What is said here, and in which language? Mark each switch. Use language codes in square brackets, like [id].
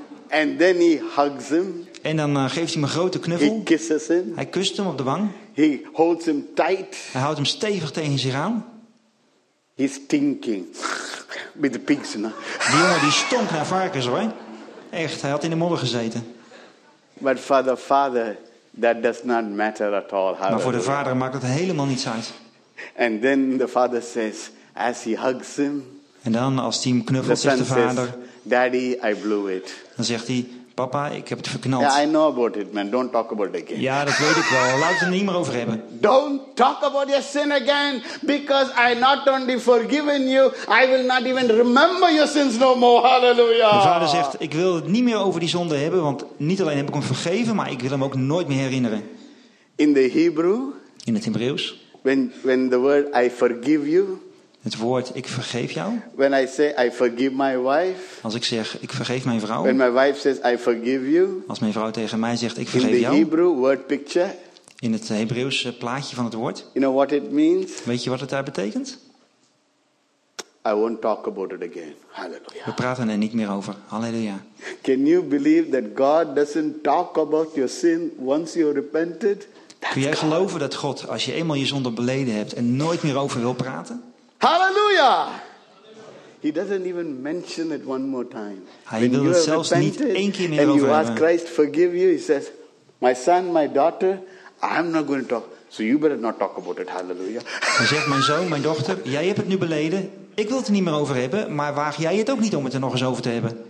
[en] And then he hugs him. [nl] En dan geeft hij hem een grote knuffel. [en] He kisses him. [nl] Hij kust hem op de wang. [en] He holds him tight. [nl] Hij houdt hem stevig tegen zich aan. [en] He's stinking. With the pigs, no? [nl] Die jongen die stonk naar varkens, hoor. Echt, hij had in de modder gezeten. [en] But for the father, that does not matter at all. [nl] Maar voor de vader maakt het helemaal niets uit. [en] And then the father says, as he hugs him, [nl] en dan als hij hem knuffelt, zegt de vader. [en] Says, Daddy, I blew it. [nl] Dan zegt hij. Papa, ik heb het verknald. [en] Yeah, I know about it, man. Don't talk about it again. [nl] Ja, dat weet ik wel. Laat het er niet meer over hebben. [en] Don't talk about your sin again, because I not only forgiven you, I will not even remember your sins no more. Hallelujah. [nl] De vader zegt: ik wil het niet meer over die zonde hebben, want niet alleen heb ik hem vergeven, maar ik wil hem ook nooit meer herinneren. [en] In the Hebrew. [nl] In het Hebreeuws. [en] When the word I forgive you. [nl] Het woord ik vergeef jou. [en] When I say I forgive my wife. [nl] Als ik zeg ik vergeef mijn vrouw. [en] When my wife says I forgive you. [nl] Als mijn vrouw tegen mij zegt ik vergeef jou. [en] In the Hebrew word picture. [nl] In het Hebreeuwse plaatje van het woord. [en] You know what it means? [nl] Weet je wat het daar betekent? [en] I won't talk about it again. Hallelujah. [nl] We praten er niet meer over. Halleluja. [en] Can you believe that God doesn't talk about your sin once you repented? [nl] Kun jij geloven dat God, als je eenmaal je zonde beleden hebt en nooit meer over wil praten? Halleluja! [en] He doesn't even mention it one more time. [nl] Hij when wil het zelfs niet één keer meer [en] and [nl] over [en] you [nl] hebben. [en] Ask Christ forgive you, he says, my son, my daughter, I'm not going to talk. So you better not talk about it. Halleluja. [nl] Hij zegt, mijn zoon, mijn dochter, jij hebt het nu beleden. Ik wil het er niet meer over hebben, maar waag jij het ook niet om het er nog eens over te hebben?